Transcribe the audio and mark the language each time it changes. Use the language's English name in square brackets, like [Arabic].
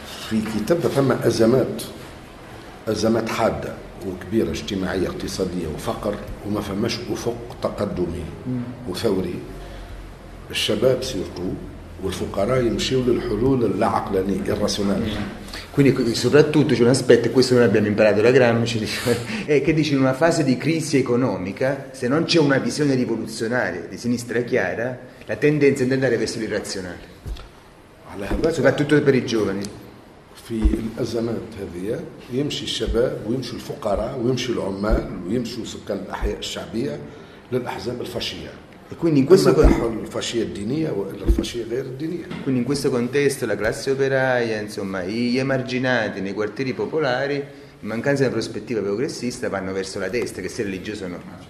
[Arabic] في كتاب ثم أزمات. أزمات حادة وكبيرة اجتماعية اقتصادية وفقر وما فماش أفق تقدمي وثوري. الشباب سيرتو والفقراء يمشيوا للحلول العقلانية الراسيونال. [Italian] Quindi soprattutto c'è un aspetto, questo noi abbiamo imparato da Gramsci, che dice in una fase di crisi economica, se non c'è una visione rivoluzionaria di sinistra chiara, la tendenza è di andare verso l'irrazionale. Soprattutto per i giovani. [Arabic] في الأزمات هذه يمشي الشباب ويمشي الفقراء ويمشي العمال ويمشي سكان الأحياء الشعبية للأحزاب الفاشية. [Italian] Quindi in questo [Arabic] الفاشية الدينية ولا الفاشية غير الدينية. [Italian] Quindi in questo contesto la classe operaia, insomma, gli emarginati nei quartieri popolari, in mancanza di prospettiva progressista, vanno verso la destra, che sia religiosa o no.